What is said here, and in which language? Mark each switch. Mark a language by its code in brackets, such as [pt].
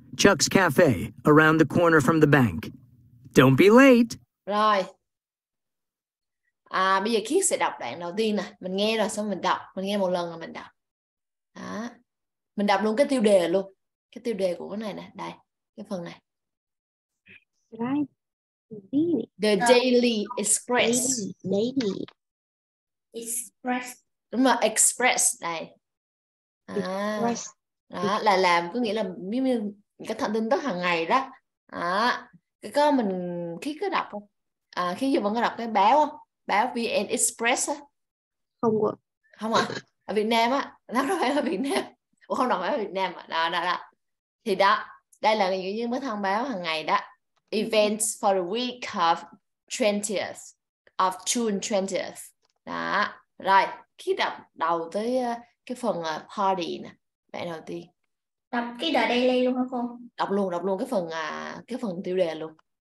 [en] Chuck's Cafe, around the corner from the bank. Don't be late. [vi] Rồi. Bây giờ Kiết sẽ đọc đoạn đầu tiên nè. Mình nghe rồi xong mình đọc. Mình nghe một lần rồi mình đọc. Đó. Mình đọc luôn cái tiêu đề luôn. Cái tiêu đề của cái này nè. Đây, cái phần này. The Daily Express. Daily. Express. Đúng rồi, Express. Đây. Đó, là làm có nghĩa là cái thông tin tức hàng ngày đó. Đó. Cái có mình khi cứ đọc không? Khi giờ vẫn có đọc cái báo không? Báo VN Express á. Không ạ. Không ạ. À? Ở Việt Nam á, nó không phải ở Việt Nam. Ủa, không đọc báo Việt Nam à. Đó đó đó. Thì đó, đây là những cái thông báo hàng ngày đó. [en] Events for the week of 20th of June 20th. [vi] Đó. Rồi, khi đọc đầu tới cái phần party nè. Bạn đầu tiên. Đọc cái the daily luôn hả cô? Đọc luôn cái phần tiêu đề luôn.